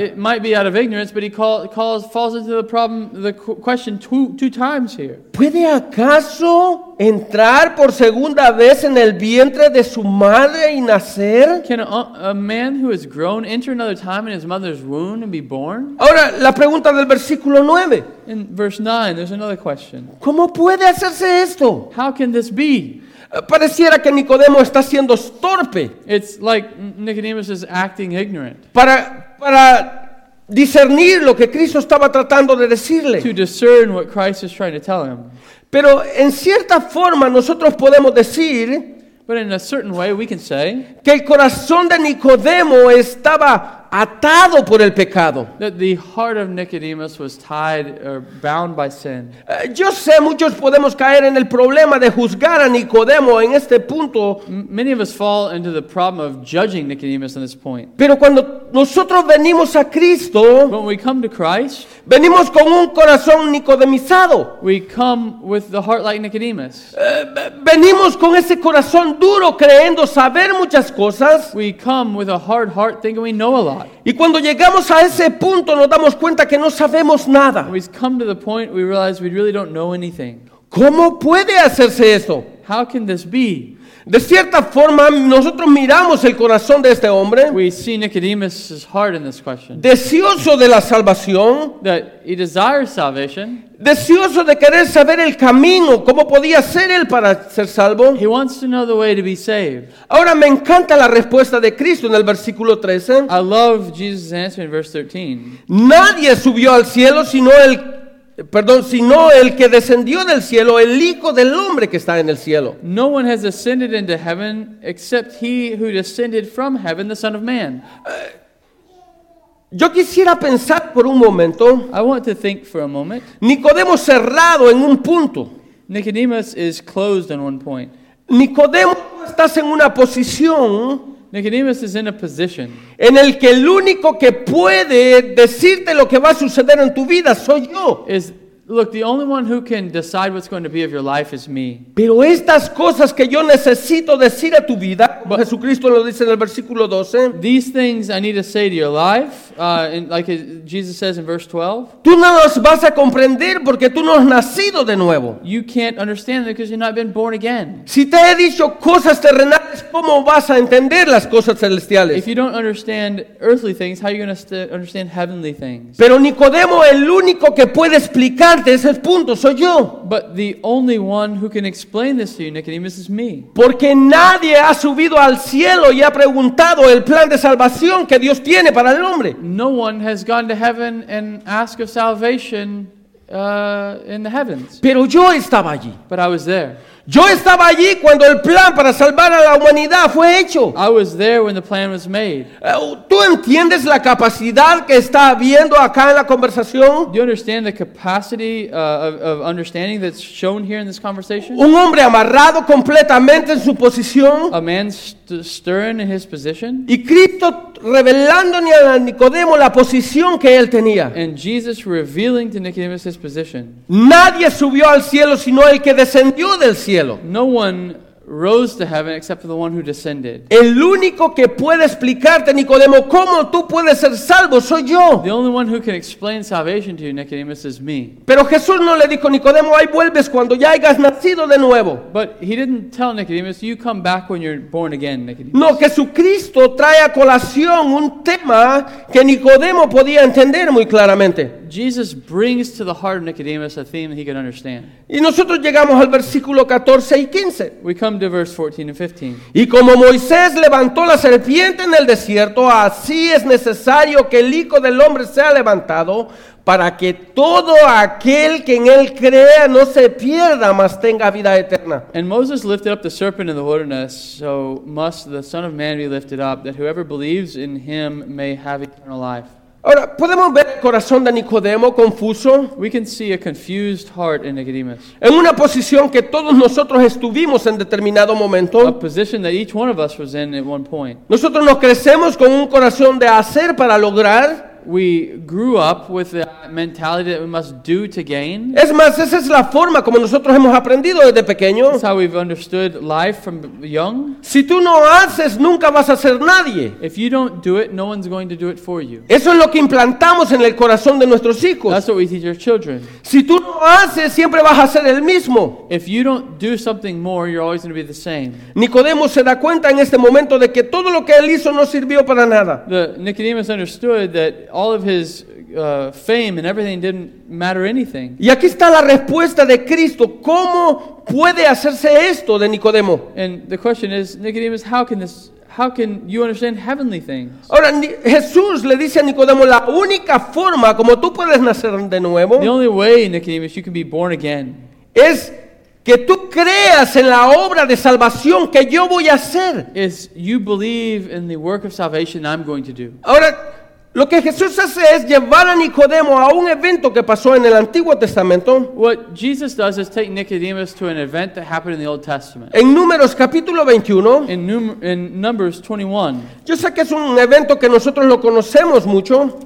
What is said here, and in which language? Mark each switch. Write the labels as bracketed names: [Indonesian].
[English] It might be out of ignorance, but he falls into the problem, the question two times here. [Spanish] ¿Puede acaso entrar por segunda vez en el vientre de su madre y nacer? [English] Can a man who has grown enter another time in his mother's womb and be born? [Spanish] Ahora, la pregunta del versículo 9. [English] In verse 9, there's another question. [Spanish] ¿Cómo puede hacerse esto? [English] How can this be? [Spanish] Pareciera que Nicodemo está siendo torpe. [English] It's like Nicodemus is acting ignorant. [Spanish] Para discernir lo que Cristo estaba tratando de decirle. [English] To discern what Christ is trying to tell him. [Spanish] Pero en cierta forma nosotros podemos decir, [English] but in a certain way we can say, [Spanish] que el corazón de Nicodemo estaba atado por el pecado. [English] That the heart of Nicodemus was tied or bound by sin. [Spanish] Yo sé, muchos podemos caer en el problema de juzgar a Nicodemo en este punto. [English] Many of us fall into the problem of judging Nicodemus on this point. [Spanish] Pero cuando nosotros venimos a Cristo, [English] when we come to Christ, [Spanish] venimos con un corazón nicodemizado. [English] We come with the heart like Nicodemus. [Spanish] Venimos con ese corazón duro creyendo saber muchas cosas. [English] We come with a hard heart thinking we know a lot. [Spanish] Y cuando llegamos a ese punto nos damos cuenta que no sabemos nada. [English] We come to the point we realize we really don't know anything. [Spanish] ¿Cómo puede hacerse eso? [English] How can this be? [Spanish] De cierta forma, nosotros miramos el corazón de este hombre. [English] We see Nicodemus's heart in this question. [Spanish] Deseoso de la salvación. [English] That he desires salvation. [Spanish] Deseoso de querer saber el camino, cómo podía ser él para ser salvo. [English] He wants to know the way to be saved. [Spanish] Ahora me encanta la respuesta de Cristo en el versículo 13. [English] I love Jesus' answer in verse 13. [Spanish] Nadie subió al cielo sino el sino el que descendió del cielo, el Hijo del Hombre que está en el cielo. [English] No one has ascended into heaven except he who descended from heaven, the Son of Man. [Spanish] Yo quisiera pensar por un momento. [English] I want to think for a moment. [Spanish] Nicodemo cerrado en un punto. [English] Nicodemus is closed in one point. [Spanish] Nicodemo, estás en una posición. [English] Nicodemus is in a position. [Spanish] En el que el único que puede decirte lo que va a suceder en tu vida soy yo. [English] Look, the only one who can decide what's going to be of your life is me. [Spanish] Pero estas cosas que yo necesito decir a tu vida, como Jesucristo lo dice en el versículo 12. [English] These things I need to say to your life, like Jesus says in verse 12. [Spanish] Tú no las vas a comprender porque tú no has nacido de nuevo. [English] You can't understand them because you've not been born again. [Spanish] Si te he dicho cosas terrenales, ¿cómo vas a entender las cosas celestiales? [English] If you don't understand earthly things, how are you going to understand heavenly things? [Spanish] Pero Nicodemo, el único que puede explicar ese es el punto, soy yo. [English] But the only one who can explain this to you, Nicodemus, is me. [Spanish] Porque nadie ha subido al cielo y ha preguntado el plan de salvación que Dios tiene para el hombre. [English] No one has gone to heaven and asked of salvation in the heavens. [Spanish] Pero yo estaba allí. [English] But I was there. [Spanish] Yo estaba allí cuando el plan para salvar a la humanidad fue hecho. [English] I was there when the plan was made. [Spanish] ¿Tú entiendes la capacidad que está habiendo acá en la conversación? [English] Do you understand the capacity of understanding that's shown here in this conversation? [Spanish] Un hombre amarrado completamente en su posición. [English] A man stern in his position. [Spanish] Y Cristo revelándole a Nicodemo la posición que él tenía. [English] And Jesus revealing to Nicodemus his position. [Spanish] Nadie subió al cielo sino el que descendió del cielo. [English] No one rose to heaven except for the one who descended. [Spanish] El único que puede explicarte, Nicodemo, cómo tú puedes ser salvo, soy yo. [English] The only one who can explain salvation to you, Nicodemus, is me. [Spanish] Pero Jesús no le dijo, Nicodemo, ahí vuelves cuando ya hayas nacido de nuevo. [English] But he didn't tell Nicodemus, you come back when you're born again, Nicodemus. [Spanish] No, Jesucristo trae a colación un tema que Nicodemo podía entender muy claramente. [English] Jesus brings to the heart of Nicodemus a theme that he could understand. [Spanish] Y nosotros llegamos al versículo 14 y 15. [English] We come to verse 14 and 15. [Spanish] Y como Moisés levantó la serpiente en el desierto, así es necesario que el Hijo del Hombre sea levantado, para que todo aquel que en él crea no se pierda, mas tenga vida eterna. [English] And Moses lifted up the serpent in the wilderness, so must the Son of Man be lifted up, that whoever believes in him may have eternal life. [Spanish] Ahora, podemos ver el corazón de Nicodemo confuso. [English] We can see a confused heart in Nicodemus. [Spanish] En una posición que todos nosotros estuvimos en determinado momento. [English] A position that each one of us was in at one point. [Spanish] Nosotros nos crecemos con un corazón de hacer para lograr. [English] We grew up with the mentality that we must do to gain. [Spanish] Es más, esa es la forma como nosotros hemos aprendido desde pequeño. [English] That's how we've understood life from young. [Spanish] Si tú no haces, nunca vas a ser nadie. [English] If you don't do it, no one's going to do it for you. [Spanish] Eso es lo que implantamos en el corazón de nuestros hijos. [English] That's what we teach our children. [Spanish] Si tú no haces, siempre vas a ser el mismo. [English] If you don't do something more, you're always going to be the same. [Spanish] Nicodemo se da cuenta en este momento de que todo lo que él hizo no sirvió para nada. [English] Nicodemus understood that all of his fame and everything didn't matter anything. [Spanish] Y aquí está la respuesta de Cristo. ¿Cómo puede hacerse esto de Nicodemo? [English] And the question is, Nicodemus, how can you understand heavenly things? [Spanish] Ahora, Jesús le dice a Nicodemo, la única forma como tú puedes nacer de nuevo, [English] the only way, Nicodemus, you can be born again, [Spanish] es que tú creas en la obra de salvación que yo voy a hacer. [English] Is you believe in the work of salvation I'm going to do. [Spanish] Ahora, Lo que Jesús hace es llevar a Nicodemo a un evento que pasó en el Antiguo Testamento. [English] What Jesus does is take Nicodemus to an event that happened in the Old Testament. [Spanish] En Números capítulo 21. [English] In Numbers 21. [Spanish] Yo sé que es un evento que nosotros lo conocemos mucho.